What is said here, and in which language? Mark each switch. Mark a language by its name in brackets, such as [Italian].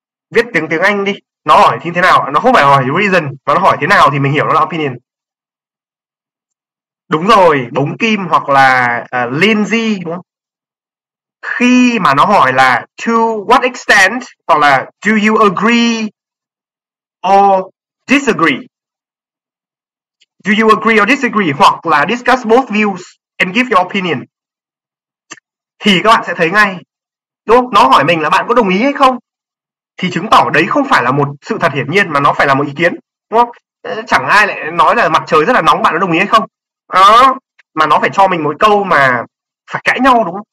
[Vietnamese] Viết tiếng tiếng Anh đi, nó hỏi thì thế nào, nó không phải hỏi reason, mà nó hỏi thế nào thì mình hiểu nó là opinion. Đúng rồi, bống kim hoặc là Lindsay đúng không? Khi mà nó hỏi là [English] to what extent [Vietnamese] hoặc là [English] do you agree or disagree? Do you agree or disagree [Vietnamese] hoặc là [English] discuss both views and give your opinion? [Vietnamese] Thì các bạn sẽ thấy ngay, đúng không? Nó hỏi mình là bạn có đồng ý hay không? Thì chứng tỏ đấy không phải là một sự thật hiển nhiên mà nó phải là một ý kiến, đúng không? Chẳng ai lại nói là mặt trời rất là nóng, bạn có đồng ý hay không? Đó, mà nó phải cho mình một câu mà phải cãi nhau đúng không?